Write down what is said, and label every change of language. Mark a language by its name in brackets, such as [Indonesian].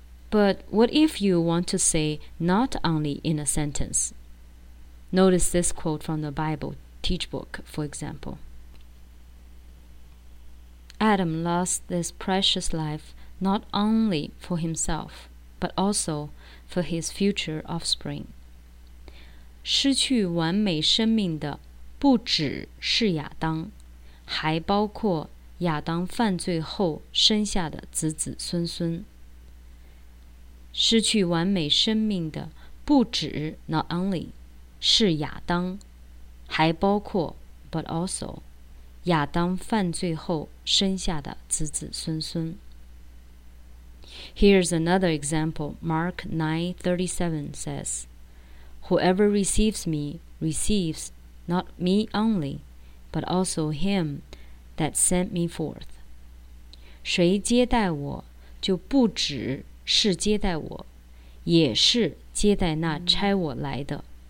[English] But what if you want to say not only in a sentence? Notice this quote from the Bible teach book, for example. Adam lost this precious life not only for himself, but also for his future offspring. [Chinese] 失去完美生命的不只是亚当，还包括亚当犯罪后生下的子子孙孙。失去完美生命的不止 [English] not only [Chinese] 是亚当，还包括 [English] but also [Chinese] 亚当犯罪后生下的子子孙孙。 [English] Here's another example. Mark 9:37 says, Whoever receives me receives not me only, but also him that sent me forth. [Chinese] 谁接待我就不止是接待我，也是接待那差我来的。